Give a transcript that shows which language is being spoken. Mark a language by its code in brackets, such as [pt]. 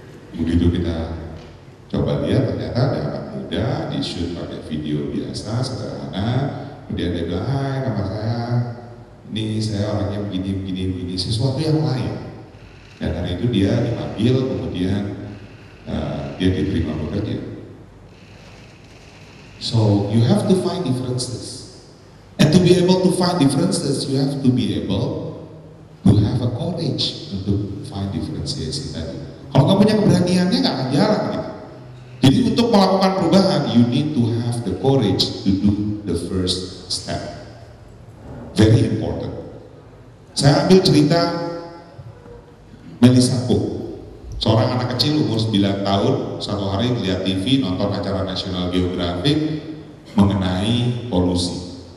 [id] Begitu kita coba lihat, ternyata ada anak muda di shoot pakai video biasa, sederhana. Kemudian dia bilang, hai nama saya, ini saya orangnya begini, begini, begini, sesuatu yang lain. Dan dari itu dia dipanggil, kemudian dia diterima bekerja. [en] So, you have to find differences. And to be able to find differences, you have to be able to have a courage [id] untuk [en] find differences [id] tadi. Kalau nggak punya keberaniannya, nggak akan jalan gitu. Jadi untuk melakukan perubahan, [en] you need to have the courage to do the first step. Very important. [id] Saya ambil cerita Melissa Cook. Seorang anak kecil umur 9 tahun, satu hari melihat TV, nonton acara National Geographic mengenai polusi.